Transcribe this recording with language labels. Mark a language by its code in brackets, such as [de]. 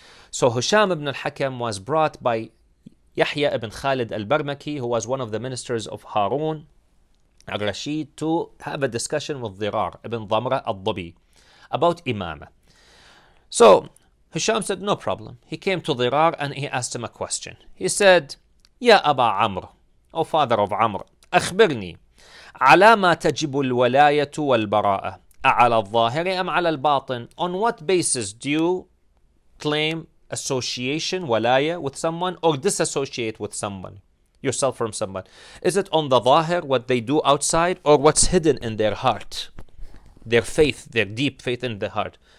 [en] So Husham ibn al-Hakam was brought by Yahya ibn Khalid al-Barmaki, who was one of the ministers of Harun al-Rashid, to have a discussion with Dhirar ibn Dhamra al-Dhabi about imamah. So Husham said, no problem. He came to Dhirar and he asked him a question. He said, [ar] Ya Aba Amr, [en] O father of Amr, [ar] أخبرني على ما تجب الولاية والبراءة أعلى الظاهر أم على الباطن. [en] On what basis do you claim association, ولاية, with someone or disassociate with someone, yourself from someone? Is it on the ظاهر, what they do outside, or what's hidden in their heart, their faith, their deep faith in the heart?